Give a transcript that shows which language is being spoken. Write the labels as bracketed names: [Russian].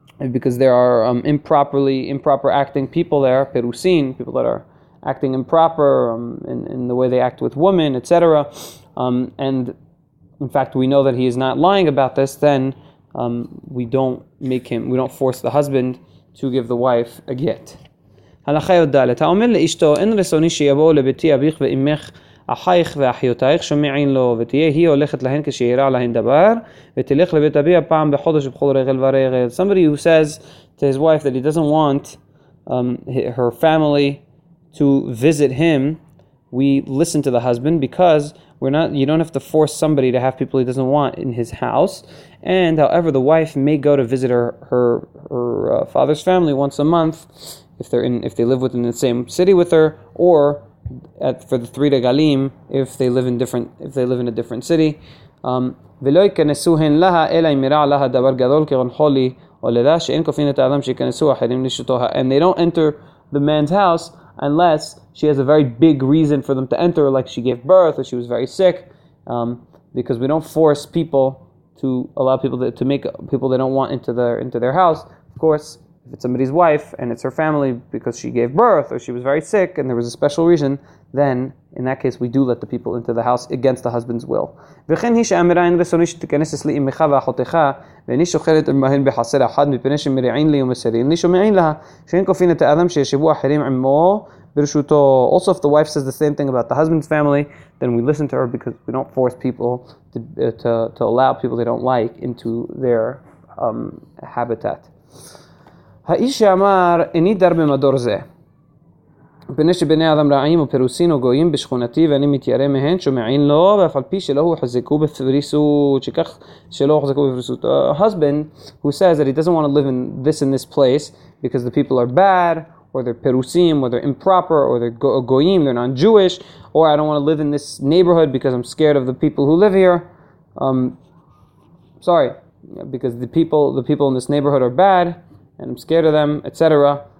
[English] because there are improper acting people there, perusin, people that are acting improper in the way they act with women, etc. And in fact, we know that he is not lying about this. Then we don't force the husband to give the wife a get. [Hebrew] הלכה יוד דלת, אתה אומר לאשתו, אין רצוני שיבואו לביתי אביך ואימך, אחייך ואחיותייך, שומעין לו, ותהיה היא הולכת להן כשיירה להן דבר, ותלך לבית אביה פעם בחודש ובכל רגל ורגל. [English] Somebody who says to his wife that he doesn't want her family to visit him, we listen to the husband because you don't have to force somebody to have people he doesn't want in his house. And however, the wife may go to visit her father's family once a month, if they live within the same city with her, or for the three regalim, if they live in a different city. [Hebrew] ולא יכנסו הן לה, אלא אם יראה לה דבר גדול כגון חולי, או לידה שאין כופין את האדם שיכנסו אחרים לשתותיה. [English] And they don't enter the man's house unless she has a very big reason for them to enter, like she gave birth or she was very sick, because we don't force people to allow people to make people they don't want into their house. Of course, if it's somebody's wife and it's her family because she gave birth or she was very sick and there was a special reason, then in that case we do let the people into the house against the husband's will. [Hebrew] וכן היא שאמרה אין רצוני שתיכנס אצלי אמך ואחותך ואיני שוכלת עמהן בחסר אחד מפני שמרעין לי ומסרין לי שומעין לה שאין כופין את האדם שישבו אחרים עמו ברשותו. [English] Also, if the wife says the same thing about the husband's family, then we listen to her because we don't force people to allow people they don't like into their habitat. [Hebrew] האיש שאמר, איני דר במדור זה, בני שבני אדם רעים ופירוסין וגויים בשכונתי ואני מתיירה מהן, שומעין לו, ואף על פי שלא הוחזקו בפריסות, שכך שלא הוחזקו בפריסות. [English] A husband who says that he doesn't want to live in this and this place because the people are bad, or they're perusim, or they're improper, or they're goyim, they're non-Jewish, or I don't want to live in this neighborhood because I'm scared of the people who live here. Because the people in this neighborhood are bad, and I'm scared of them, etc.